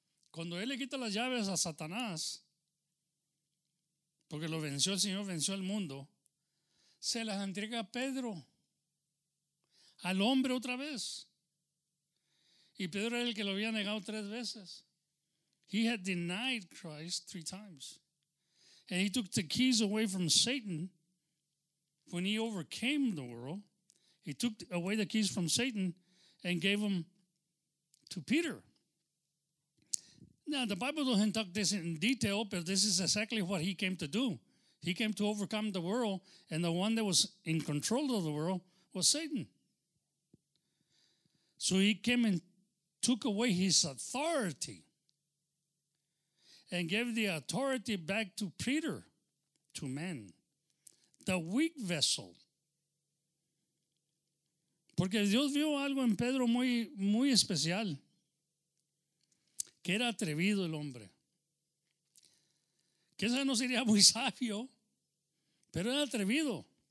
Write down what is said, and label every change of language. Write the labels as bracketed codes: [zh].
[es] Cuando él le quita las llaves a Satanás, porque lo venció el Señor, venció el mundo, se las entrega a Pedro, al hombre otra vez. Y Pedro era el que lo había negado tres veces. [en] He had denied Christ three times. And he took the keys away from Satan. When he overcame the world, he took away the keys from Satan and gave them to Peter. Now, the Bible doesn't talk this in detail, but this is exactly what he came to do. He came to overcome the world, and the one that was in control of the world was Satan. So he came and took away his authority and gave the authority back to Peter, to men, the weak vessel. [es] Porque Dios vio algo en Pedro muy, muy especial. Que era atrevido el hombre. Que eso no sería muy sabio, pero era atrevido.